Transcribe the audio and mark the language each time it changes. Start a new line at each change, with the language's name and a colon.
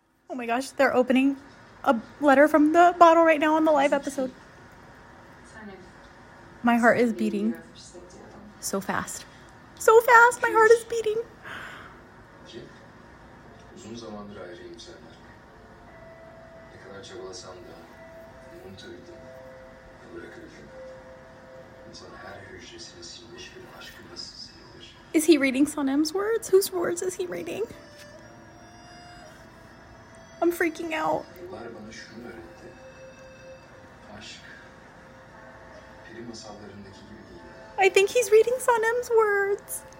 English: Oh my gosh, they're opening a letter from the bottle right now on the live episode. My heart is beating so fast. So fast, my heart is beating.
Turkish: Uzun zamandır ayrıyım senden. Ne kadar çabalasam da unuturdum. Bırakırdım. İnsanın her hücresine sinmiş bir aşkı nasıl sinilir?
English: Is he reading Sonem's words? Whose words is he reading? I'm freaking out.
Turkish: Yıllar bana şunu öğretti. Aşk. Peri masallarındaki gibi değil.
English: I think he's reading Sonem's words.